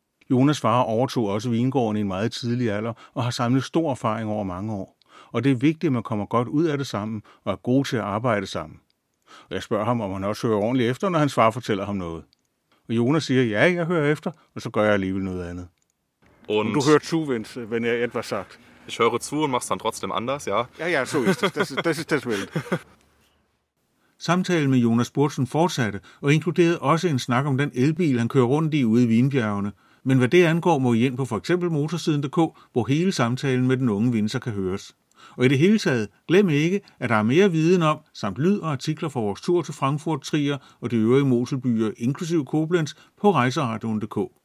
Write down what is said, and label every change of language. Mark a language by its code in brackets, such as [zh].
[da] Jonas far overtog også vingården i en meget tidlig alder og har samlet stor erfaring over mange år. Og det er vigtigt, at man kommer godt ud af det sammen og er god til at arbejde sammen. Og jeg spørger ham, om han også hører ordentligt efter, når hans far fortæller ham noget. Og Jonas siger, ja, jeg hører efter, og så gør jeg alligevel noget andet. [de] Und du hører zu, wenn er etwas sagt. Ich höre zu und mach's dann trotzdem anders, ja. Ja, ja, so ist das. Das ist das Welt. [da] Samtalen med Jonas Burtsen fortsatte og inkluderede også en snak om den elbil, han kører rundt i ude i Vinbjergene. Men hvad det angår, må I ind på for eksempel motorsiden.dk, hvor hele samtalen med den unge Vincer kan høres. Og i det hele taget, glem ikke, at der er mere viden om, samt lyd og artikler fra vores tur til Frankfurt, Trier og de øvrige Moselbyer, inklusive Koblenz, på rejseradion.dk.